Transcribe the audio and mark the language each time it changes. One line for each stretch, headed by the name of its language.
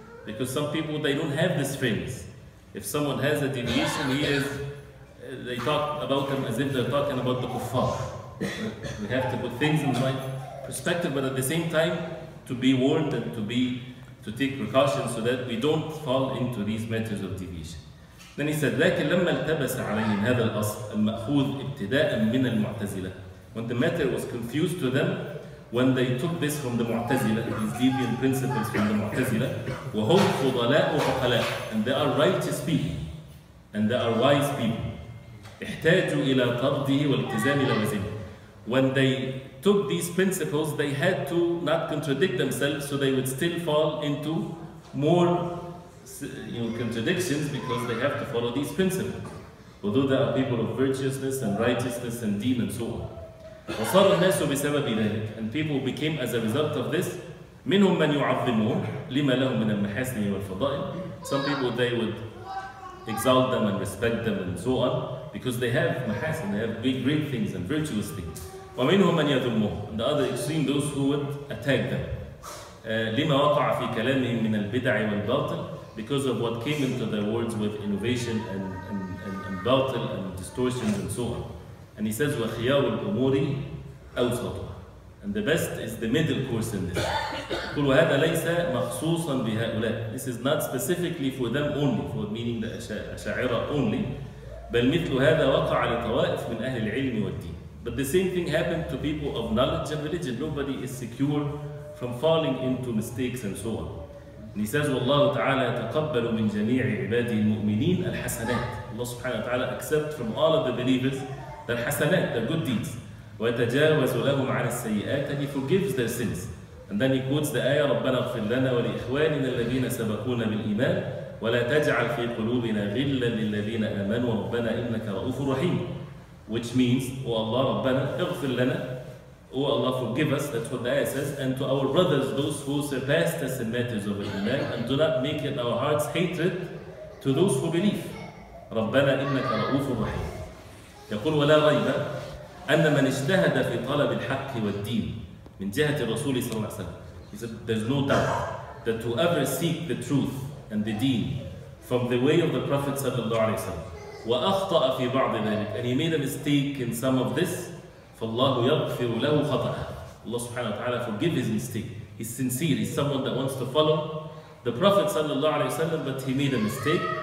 English: Because some people, they don't have this fairness. If someone has a deviation, they talk about them as if they're talking about the kuffar. We have to put things in the right perspective, but at the same time, to be warned and to take precautions so that we don't fall into these matters of deviation. Then he said,
Arabic: لَكِنْ لَمَّا الْتَبَسَ عَلَيْهِمْ هَذَا الْأَصْلِ الْمَأْخُوذِ ابْتِدَاءً مِّنَ الْمُعْتَزِلَةِ.
English: When the matter was confused to them, when they took this from the Mu'tazila, these deviant principles from the Mu'tazila,
Arabic: وَهُمْ فُضَلَاءُ وَقَلَاءُ,
English: and they are righteous people, and they are wise people.
Arabic: اِحْتَاجُوا إِلَىٰ قَرْضِهِ وَالْتِزَامِ لَوَزِمِ.
English: When they took these principles, they had to not contradict themselves, so they would still fall into more contradictions, because they have to follow these principles. Although they are people of virtuousness and righteousness and deen and so on.
Arabic: وصار الناس بسبب ذلك,
English: and people became as a result of this,
Arabic: منهم من يعظمون لما لهم من المحاسن والفضائل.
English: Some people, they would exalt them and respect them and so on, because they have محاسن, they have great things and virtuous things.
Arabic: ومنهم من يذمهم,
English: and the other extreme, those who would attack them.
Arabic: لما وقع في كلامهم من البدع والباطل,
English: because of what came into their words with innovation and باطل and distortions and so on. And he says,
Arabic: وَخِيَارُ الْأُمُورِ أَوْسَطُهُ,
English: and the best is the middle course in this.
Arabic: قُلْ وَهَذَا لَيْسَ مَخْصُوصًا بِهَؤُلَاءِ.
English: This is not specifically for them only, for meaning the Asha'ira only.
Arabic: بَلْ مِثْلُ هَذَا وَقَعَ لِطَوَائِفٍ مِنْ أَهْلِ الْعِلْمِ وَالدِّينِ.
English: But the same thing happened to people of knowledge and religion. Nobody is secure from falling into mistakes and so on. And he says,
Arabic: وَاللَّهُ تَعَالَى يَتَقَبَّلُ مِنْ جَمِيعِ عِبَادِهِ الْمُؤْمِنِينَ الْحَسَنَاتِ.
English: Allah subhanahu wa ta'ala accepts from all of the believers their hasanat, their good deeds.
Arabic: وَيَتَجَاوَزُ لَهُمْ عَنَ السَّيِّئَاتِ,
English: and he forgives their sins.
Arabic: And then he quotes the ayah, رَبَّنَا اغْفِرْ لَنَا وَلِإِخْوَانِنَا الَّذِينَ سَبَقُونَ بِالْإِيمَانِ وَلَا تَجْعَلْ فِي قُلُوبِنَا غِلًّا لِلَّذِينَ آمَنُوا رَبَّنَا إِنَّكَ رَؤُوفٌ رَحِيمٌ.
English: Which means, O Allah,
Arabic: رَبَّنَا اغْفِرْ لَنَا,
English: O Allah, forgive us, that's what the ayah says, and to our brothers, those who surpassed us in matters of iman, and do not make in our hearts hatred to those who believe.
Arabic: رَبَّنَا إِنَّكَ رَؤُوفٌ رَحِيمٌ. يقول ولا ريب أن من اجتهد في طلب الحق والدين من جهة الرسول صلى الله عليه وسلم.
English: He said, there's no doubt that whoever seeks the truth and the deen from the way of the Prophet صلى الله عليه وسلم
Arabic: وأخطأ في بعض ذلك,
English: and he made a mistake in some of this,
Arabic: فالله يغفر له خطأ.
English: Allah subhanahu wa ta'ala forgive his mistake. He's sincere. He's someone that wants to follow the Prophet صلى الله عليه وسلم, but he made a mistake.